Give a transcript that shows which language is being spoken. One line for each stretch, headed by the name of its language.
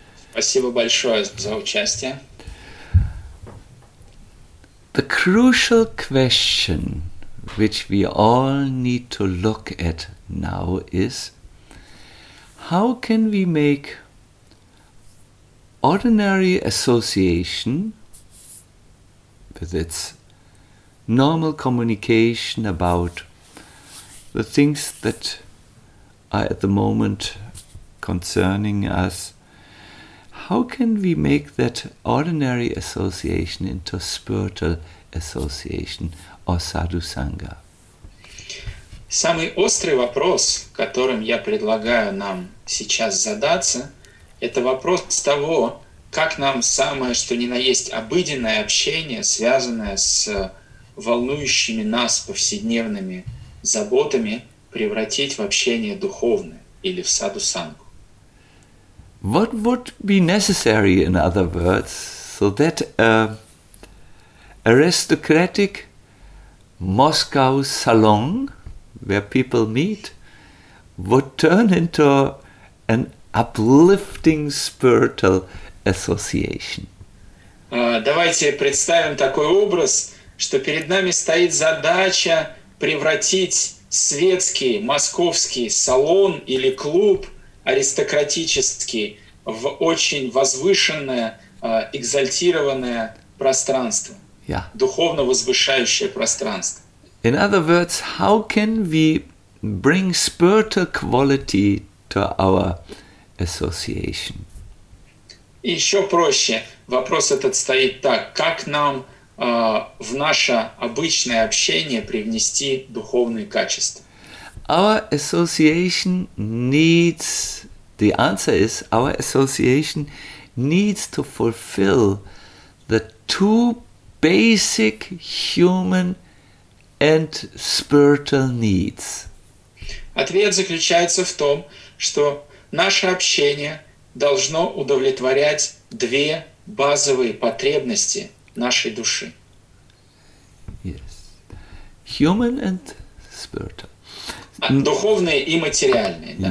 Russian: Спасибо большое за участие.
English: The crucial question which we all need to look at now is, how can we make ordinary association with its normal communication about the things that are at the moment concerning us, how can we make that ordinary association into spiritual association or sadhu sangha?
Russian: Самый острый вопрос, которым я предлагаю нам сейчас задаться, это вопрос того, как нам самое что ни на есть обыденное общение, связанное с волнующими нас повседневными заботами, превратить в общение духовное или в саду сангу.
English: What would be necessary, in other words, so that aristocratic Moscow salon where people meet would turn into an uplifting spiritual association?
Russian: Давайте представим такой образ, что перед нами стоит задача превратить светский, московский салон или клуб аристократический в очень возвышенное, экзальтированное пространство, yeah. духовно возвышающее пространство.
English: In other words, how can we bring spiritual quality to our association?
Russian: Еще проще, вопрос этот стоит так: как нам в наше обычное общение привнести духовные качества?
English: Our association needs, the answer is, our association needs to fulfill the two basic human and spiritual needs.
Russian: Ответ заключается в том, что наше общение должно удовлетворять две базовые потребности нашей души.
English: Yes. Human and spiritual.
Russian: Духовные и материальные, да?